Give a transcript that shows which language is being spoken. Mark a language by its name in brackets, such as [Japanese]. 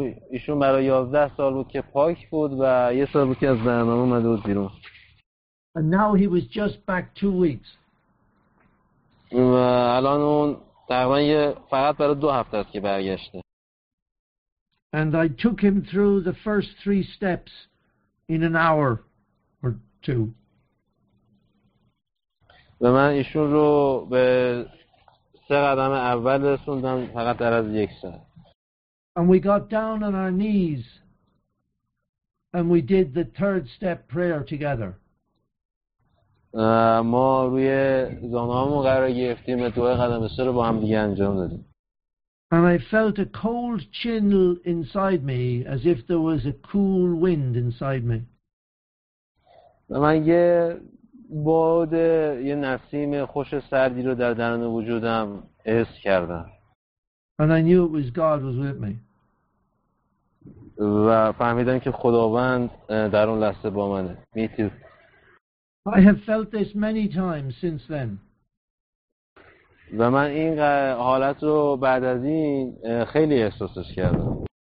[Persian] ایشون برای 11 سال بود که پاک بود و یه سال بود که از برنامه اومده بود بیرون. [English] And now he was just back 2 weeks. [Persian] الان اون تقریباً فقط برای 2 هفته است که برگشته. [English] And I took him through the first 3 steps in an hour or two. [Persian] و من ایشون رو به 3 قدم اول رسوندم فقط در از 1 ساعت. [English] And we got down on our knees and we did the 3rd step prayer together. [Persian] ما روی زانوهامون قرار گرفتیم و دعای قدم سه رو با هم دیگه انجام دادیم. [English] And I felt a cold chill inside me as if there was a cool wind inside me. [Persian] من یه باد، یه نسیم خوش سردی رو در درون وجودم احساس کردم. [English] And I knew it was God was with me. [Persian] و فهمیدم که خداوند در اون لحظه با منه. میتونم [English] I have felt this many times since then. [Persian] و من این حالت رو بعد از این خیلی احساسش کردم.